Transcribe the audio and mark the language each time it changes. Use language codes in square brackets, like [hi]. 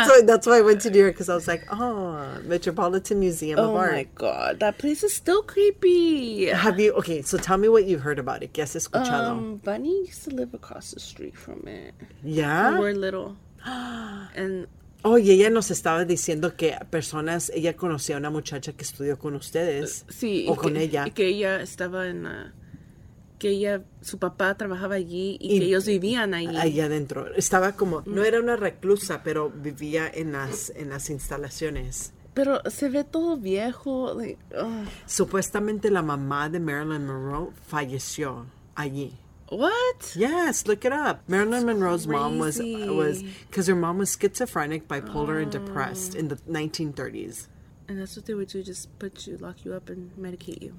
[en] That's why I went to New York, because I was like, Metropolitan Museum of Art. Oh my God, that place is still creepy. Okay, so tell me what you've heard about it. Guess it's Cuchillo. Bunny used to live across the street from it. Yeah? When we're little. And... [es] Oh, y ella nos estaba diciendo que personas, ella conocía a una muchacha que estudió con ustedes. Sí. O con ella. Y que ella estaba en, su papá trabajaba allí y que ellos vivían allí. Allá adentro. Estaba como, no era una reclusa, pero vivía en las instalaciones. Pero se ve todo viejo. Supuestamente la mamá de Marilyn Monroe falleció allí. [en] What? Yes, look it up. Marilyn Monroe's mom was because her mom was schizophrenic, bipolar, and depressed in the 1930s. And that's what they would do, just put you, lock you up and medicate you.